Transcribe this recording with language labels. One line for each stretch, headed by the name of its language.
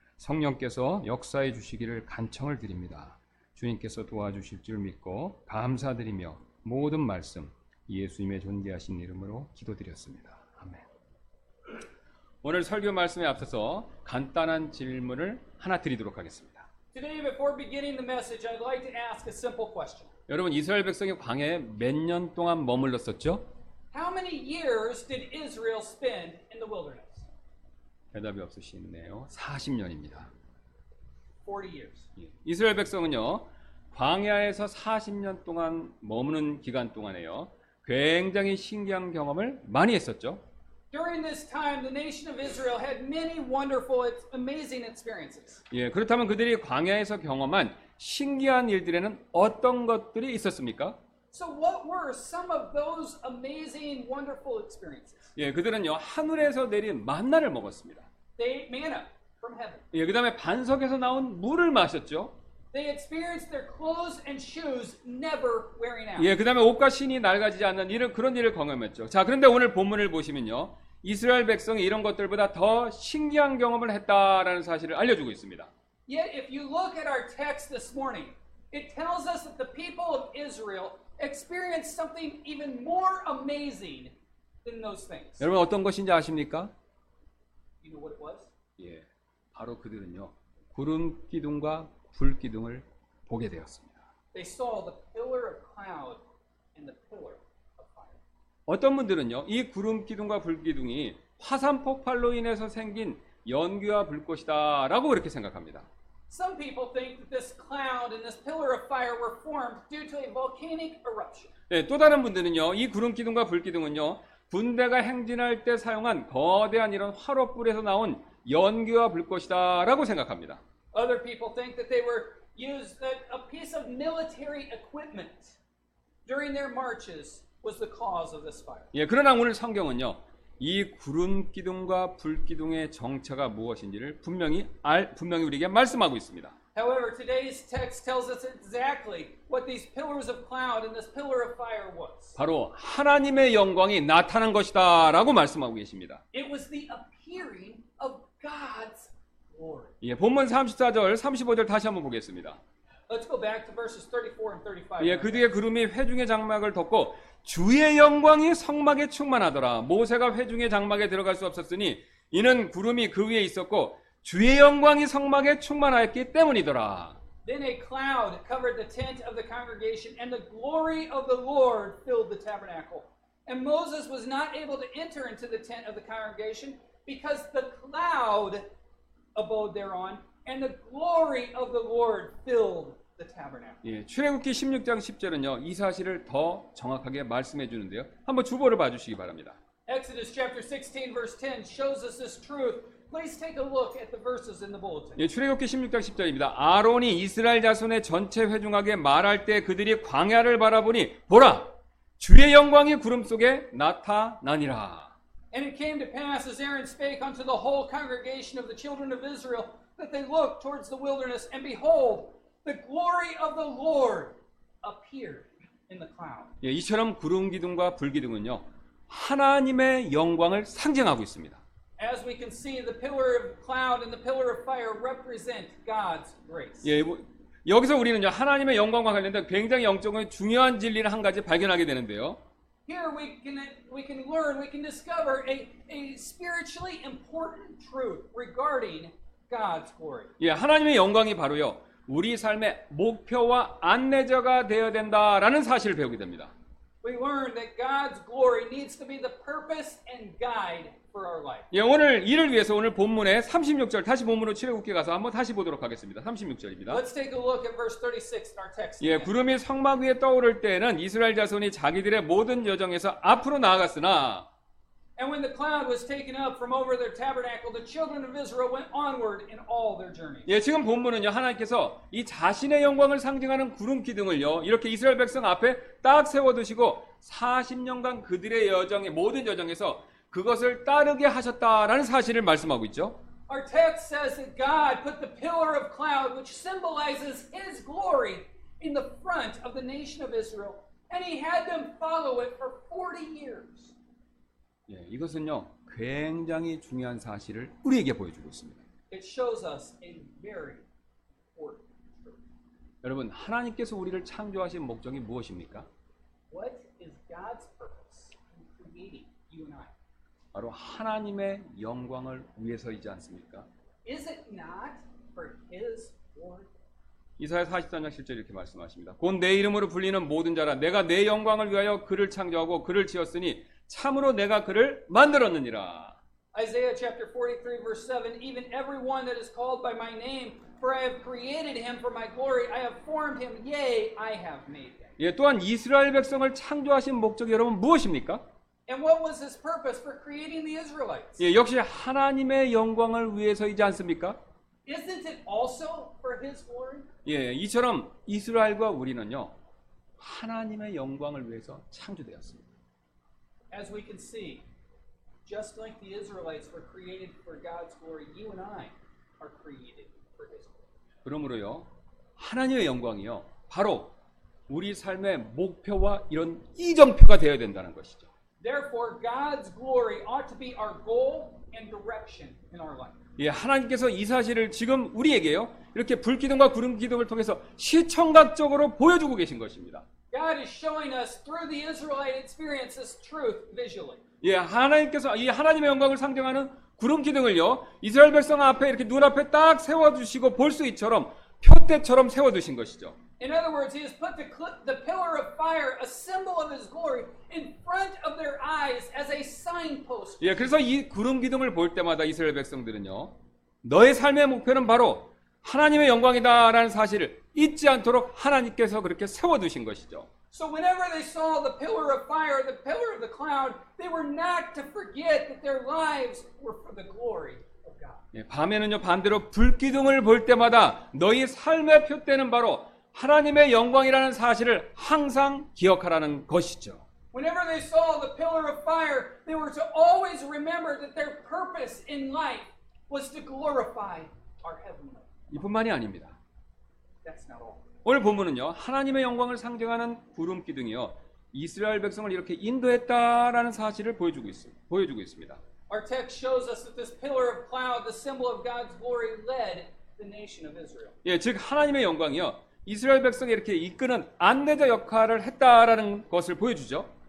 Korean: 성령께서 역사해 주시기를 간청을 드립니다. 주님께서 도와주실 줄 믿고 감사드리며 모든 말씀 예수님의 존귀하신 이름으로 기도드렸습니다. 오늘 설교 말씀에 앞서서 간단한 질문을 하나 드리도록 하겠습니다.
English: Today, before beginning the message, I'd like to ask a simple question.
Korean: 여러분, 이스라엘 백성이 광야에 몇 년 동안 머물렀었죠?
English: How many years did Israel spend in the wilderness?
Korean: 대답이 없으시네요. 40년입니다.
English: 40 years.
Korean: 이스라엘 백성은요, 광야에서 40년 동안 머무는 기간 동안에요, 굉장히 신기한 경험을 많이 했었죠.
English: During this time, the nation of Israel had many wonderful, amazing experiences.
Korean: 예, 그렇다면 그들이 광야에서 경험한 신기한 일들에는 어떤 것들이 있었습니까?
English: So what were some of those amazing, wonderful experiences?
Korean: 예, 그들은요 하늘에서 내린 만나를 먹었습니다.
English: They ate manna from heaven.
Korean: 예, 그다음에 반석에서 나온 물을 마셨죠.
English: They experienced their clothes and shoes never wearing out.
Korean: 예, 그다음에 옷과 신이 낡아지지 않는 이런 그런 일을 경험했죠. 자, 그런데 오늘 본문을 보시면요, 이스라엘 백성이 이런 것들보다 더 신기한 경험을 했다라는 사실을 알려주고 있습니다.
English: Yet if you look at our text this morning, it tells us that the people of Israel experienced something even more amazing than those things.
Korean: 여러분 어떤 것인지 아십니까?
English: You know what it was?
Korean: 예, 바로 그들은요, 구름 기둥과 불 기둥을 보게 되었습니다.
English: They saw the pillar of cloud and the pillar of fire.
Korean: 어떤 분들은요, 이 구름 기둥과 불 기둥이 화산 폭발로 인해서 생긴 연기와 불꽃이다라고 그렇게 생각합니다.
English: Some people think that this cloud and this pillar of fire were formed due to a volcanic eruption.
Korean: 네, 또 다른 분들은요, 이 구름 기둥과 불 기둥은요, 군대가 행진할 때 사용한 거대한 이런 화롯불에서 나온 연기와 불 것이다 라고 생각합니다.
English: Other people think that they were used a piece of military equipment during their marches was the cause of this fire.
Korean: 예, 그러나 오늘 성경은요, 이 구름 기둥과 불 기둥의 정체가 무엇인지를 분명히 우리에게 말씀하고 있습니다.
English: However, today's text tells us exactly what these pillars of cloud and this pillar of fire was.
Korean: 바로 하나님의 영광이 나타난 것이다 라고 말씀하고 계십니다.
English: It was the appearing of God's glory.
Korean: 예, 본문 34절, 35절 다시 한번 보겠습니다.
English: Let's go back to verses 34 and 35.
Korean: 예, 그 뒤에 구름이 회중의 장막을 덮고 주의 영광이 성막에 충만하더라. 모세가 회중의 장막에 들어갈 수 없었으니 이는 구름이 그 위에 있었고 주의 영광이 성막에 충만하였기 때문이더라.
English: Then a cloud covered the tent of the congregation, and the glory of the Lord filled the tabernacle. And Moses was not able to enter into the tent of the congregation because the cloud abode thereon, and the glory of the Lord filled the tabernacle.
Korean: 예, 출애굽기 16장 10절은요 이 사실을 더 정확하게 말씀해 주는데요. 한번 주보를 봐주시기 바랍니다.
English: Exodus chapter 16, verse 10 shows us this truth. Please take a look at the verses in the bulletin.
Korean: 예, 출애굽기 16장 10절입니다. 아론이 이스라엘 자손의 전체 회중에게 말할 때 그들이 광야를 바라보니 보라 주의 영광이 구름 속에 나타나니라.
English: And it came to pass as Aaron spake unto the whole congregation of the children of Israel that they looked towards the wilderness and behold the glory of the Lord appeared in the cloud.
Korean: 예, 이처럼 구름 기둥과 불 기둥은요. 하나님의 영광을 상징하고 있습니다.
English: As we can see, the pillar of cloud and the pillar of fire represent God's grace.
Korean: 예, 여기서 우리는요 하나님의 영광과 관련된 굉장히 영적으로 중요한 진리를 한 가지 발견하게 되는데요.
English: Here we can learn, we can discover a spiritually important truth regarding God's glory.
Korean: 예, 하나님의 영광이 바로요 우리 삶의 목표와 안내자가 되어야 된다라는 사실을 배우게 됩니다.
English: We learn that God's glory needs to be the purpose and guide.
Korean: 예, 오늘 이를 위해서 오늘 본문의 36절 다시 본문으로 출애굽기 가서 한번 다시 보도록 하겠습니다. 36절입니다.
English: Let's take a look at verse 36 in our text.
Korean: 예, 구름이 성막 위에 떠오를 때에는 이스라엘 자손이 자기들의 모든 여정에서 앞으로 나아갔으나
English: And when the cloud was taken up from over their tabernacle the children of Israel went onward in all their journey.
Korean: 예, 지금 본문은요. 하나님께서 이 자신의 영광을 상징하는 구름 기둥을요. 이렇게 이스라엘 백성 앞에 딱 세워 두시고 40년간 그들의 여정의 모든 여정에서 그것을 따르게 하셨다라는 사실을 말씀하고 있죠.
English: Our text says that God put the pillar of cloud, which symbolizes His glory, in the front of the nation of Israel, and He had them follow it for 40 years.
Korean: 예, 이것은요 굉장히 중요한 사실을 우리에게 보여주고 있습니다.
English: It shows us a very important truth.
Korean: 여러분, 하나님께서 우리를 창조하신 목적이 무엇입니까?
English: What is God's purpose in creating you and I?
Korean: 바로 하나님의 영광을 위해서이지 않습니까?
English: Is it not for His glory?
Korean: 이사야 43장 7절 이렇게 말씀하십니다. 곧 내 이름으로 불리는 모든 자라 내가 내 영광을 위하여 그를 창조하고 그를 지었으니 참으로 내가 그를 만들었느니라.
English: Isaiah chapter 43 verse 7 Even everyone that is called by my name for I have created him for my glory I have formed him yea I have made him.
Korean: 예, 또한 이스라엘 백성을 창조하신 목적이 여러분 무엇입니까?
English: And what was his purpose for creating the Israelites?
Korean: 예, 역시 하나님의 영광을 위해서이지 않습니까?
English: Isn't it also for his glory?
Korean: 예, 이처럼 이스라엘과 우리는요. 하나님의 영광을 위해서 창조되었습니다.
English: As we can see, just like the Israelites were created for God's glory, you and I are created for his glory.
Korean: 그러므로요. 하나님의 영광이요. 바로 우리 삶의 목표와 이런 이정표가 되어야 된다는 것이죠.
English: Therefore, God's glory ought to be our goal and direction in our life.
Korean: 예, 하나님께서 이 사실을 지금 우리에게요 이렇게 불 기둥과 구름 기둥을 통해서 시청각적으로 보여주고 계신 것입니다.
English: God is showing us through the Israelite experience this truth visually.
Korean: 예, 하나님께서 이 하나님의 영광을 상징하는 구름 기둥을요 이스라엘 백성 앞에 이렇게 눈 앞에 딱 세워 주시고 볼 수 있처럼 표대처럼 세워 두신 것이죠.
English: In other words, He has put the pillar of fire, a symbol of His glory, in front of their eyes as a signpost.
Korean: 예, 그래서 이 구름 기둥을 볼 때마다 이스라엘 백성들은요, 너의 삶의 목표는 바로 하나님의 영광이다라는 사실을 잊지 않도록 하나님께서 그렇게 세워두신 것이죠.
English: So whenever they saw the pillar of fire, the pillar of the cloud, they were not to forget that their lives were for the glory of God.
Korean: 예, 밤에는요 반대로 불기둥을 볼 때마다 너희 삶의 표때는 바로 하나님의 영광이라는 사실을 항상 기억하라는 것이죠.
English: Whenever they saw the pillar of fire, they were to always remember that their purpose in life was to glorify our heavenly.
Korean: 이뿐만이 아닙니다.
English: That's not all.
Korean: 오늘 본문은요 하나님의 영광을 상징하는 구름 기둥이요 이스라엘 백성을 이렇게 인도했다라는 사실을 보여주고 있습니다.
English: Our text shows us that this pillar of cloud, the symbol of God's glory, led the nation of Israel.
Korean: 예, 즉 하나님의 영광이요 이스라엘 백성이 이렇게 이끄는 안내자 역할을 했다라는 것을 보여주죠.